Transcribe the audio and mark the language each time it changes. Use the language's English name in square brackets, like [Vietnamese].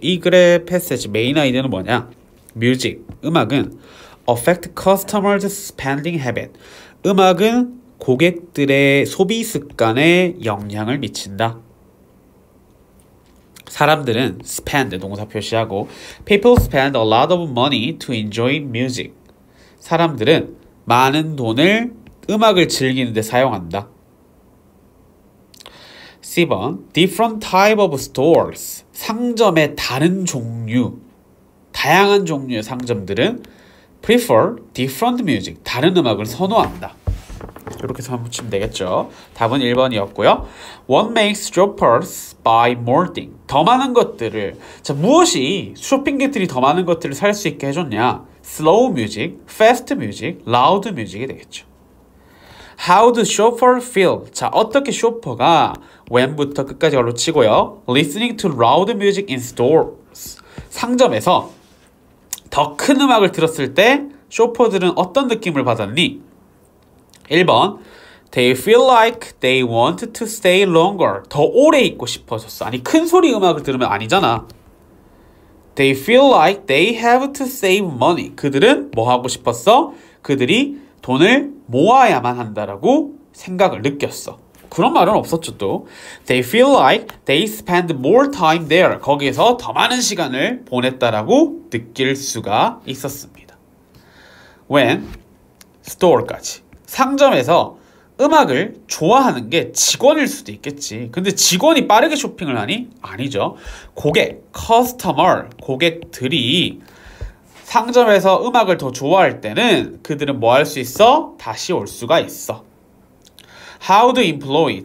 [Korean] 이 글의 passage, main idea는 뭐냐? [English] Music, [Korean] 음악은 [English] affect customers' spending habit. [Korean] 음악은 고객들의 소비 습관에 영향을 미친다. 사람들은 [English] spend, [Korean] 동사 표시하고, [English] people spend a lot of money to enjoy music. [Korean] 사람들은 많은 돈을 음악을 즐기는데 사용한다. [English] C번, different type of stores. [Korean] 상점의 다른 종류, 다양한 종류의 상점들은 [English] prefer different music, [Korean] 다른 음악을 선호한다. 이렇게 한번 붙이면 되겠죠. 답은 1번이었고요. [English] What makes shoppers buy more things? [Korean] 더 많은 것들을, 자, 무엇이 쇼핑객들이 더 많은 것들을 살수 있게 해줬냐? [English] Slow music, fast music, loud music이 [Korean] 되겠죠. [English] How do shopper feel? [Korean] 자, 어떻게 쇼퍼가 when부터 끝까지 걸로 치고요. [English] Listening to loud music in stores. [Korean] 상점에서 더큰 음악을 들었을 때 쇼퍼들은 어떤 느낌을 받았니? [English] 1번, they feel like they want to stay longer. [Korean] 더 오래 있고 싶어졌어. 아니, 큰 소리 음악을 들으면 아니잖아. [English] They feel like they have to save money. [Korean] 그들은 뭐 하고 싶었어? 그들이 돈을 모아야만 한다라고 생각을 느꼈어. 그런 말은 없었죠, 또. [English] They feel like they spend more time there. [Korean] 거기에서 더 많은 시간을 보냈다라고 느낄 수가 있었습니다. [English] When store까지. [Korean] 상점에서 음악을 좋아하는 게 직원일 수도 있겠지. 근데 직원이 빠르게 쇼핑을 하니? 아니죠. 고객, customer, 고객들이 상점에서 음악을 더 좋아할 때는 그들은 뭐할수 있어? 다시 올 수가 있어. [English] How do employee?